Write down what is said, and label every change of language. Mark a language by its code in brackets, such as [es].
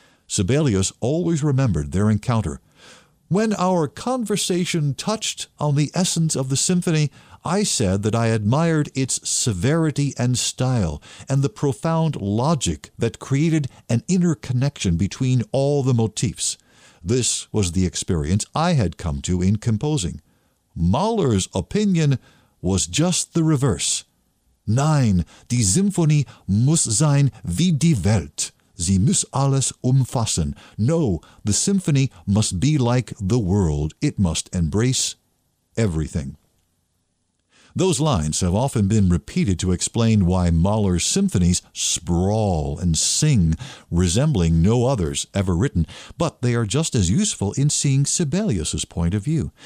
[en] Sibelius always remembered their encounter. "When our conversation touched on the essence of the symphony, I said that I admired its severity and style, and the profound logic that created an inner connection between all the motifs. This was the experience I had come to in composing. Mahler's opinion was just the reverse. [de] Nein, die Symphonie muss sein wie die Welt. Sie muss alles umfassen. [en] No, the symphony must be like the world. It must embrace everything." Those lines have often been repeated to explain why Mahler's symphonies sprawl and sing, resembling no others ever written, but they are just as useful in seeing Sibelius's point of view.